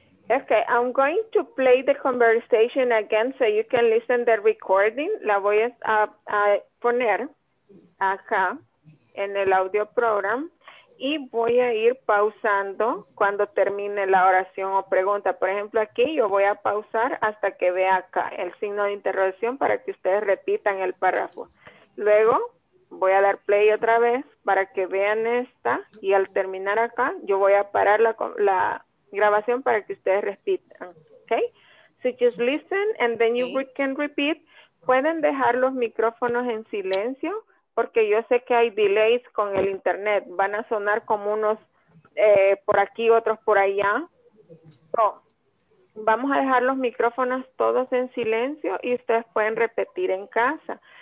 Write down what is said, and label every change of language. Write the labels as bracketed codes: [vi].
[en] Okay, I'm going to play the conversation again so you can listen to the recording. [es] La voy a poner acá en el audio program y voy a ir pausando cuando termine la oración o pregunta. Por ejemplo, aquí yo voy a pausar hasta que vea acá el signo de interrogación para que ustedes repitan el párrafo. Luego voy a dar play otra vez para que vean esta y al terminar acá yo voy a parar la grabación para que ustedes repitan, okay? [en] So just listen and then you can repeat. [es] Pueden dejar los micrófonos en silencio porque yo sé que hay delays con el internet. Van a sonar como unos por aquí, otros por allá. So, vamos a dejar los micrófonos todos en silencio y ustedes pueden repetir en casa.